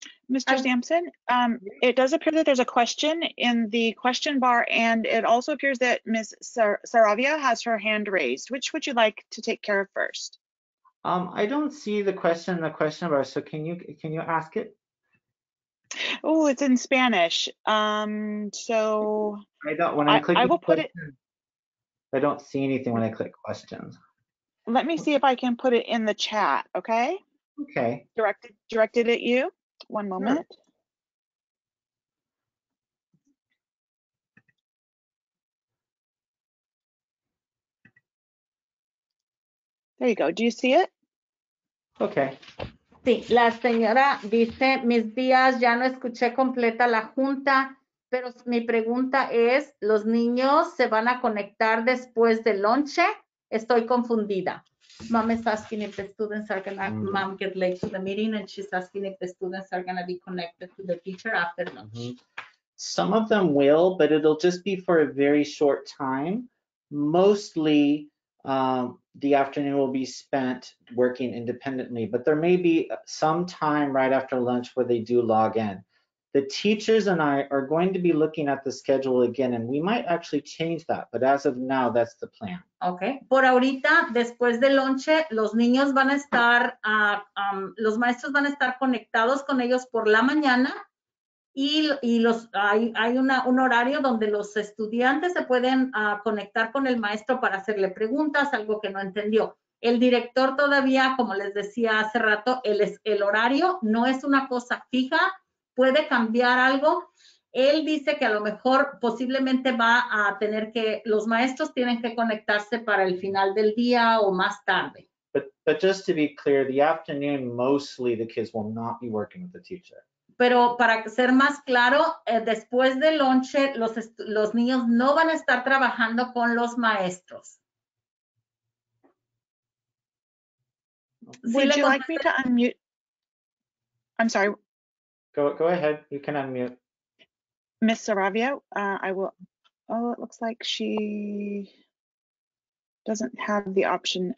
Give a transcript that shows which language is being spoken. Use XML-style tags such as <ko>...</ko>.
<en>Mr. Sampson, it does appear that there's a question in the question bar, and it also appears that Ms. Saravia has her hand raised. Which would you like to take care of first? I don't see the question in the question bar, so can you ask it? Oh, it's in Spanish. So I don't, when I click I will question, put it. I don't see anything when I click questions. Let me see if I can put it in the chat, okay? Okay. Directed at you. One moment. Sure. There you go. Do you see it? Okay.</en> <es>Sí, la señora dice, mis días, ya no escuché completa la junta, pero mi pregunta es, ¿los niños se van a conectar después del lonche? Estoy confundida.</es> <en>Mom is asking if the students are going to, mom get late to the meeting, and she's asking if the students are going to be connected to the teacher after lunch. Some of them will, but it'll just be for a very short time. Mostly, the afternoon will be spent working independently, but there may be some time right after lunch where they do log in. The teachers and I are going to be looking at the schedule again, and we might actually change that, but as of now, that's the plan. Okay.</en> <es>Por ahorita, después del lonche, los niños van a estar, los maestros van a estar conectados con ellos por la mañana, y hay un horario donde los estudiantes se pueden conectar con el maestro para hacerle preguntas, algo que no entendió. El director todavía, como les decía hace rato, el horario no es una cosa fija, puede cambiar algo. Él dice que a lo mejor posiblemente va a tener que, los maestros tienen que conectarse para el final del día o más tarde.</es> <en>But just to be clear, the afternoon, mostly the kids will not be working with the teacher.</en> <es>Pero para ser más claro, después del lonche, los niños no van a estar trabajando con los maestros.</es> <en>Would you like me to unmute? I'm sorry. Go ahead. You can unmute. Ms. Saravia, I will. Oh, it looks like she doesn't have the option.</en>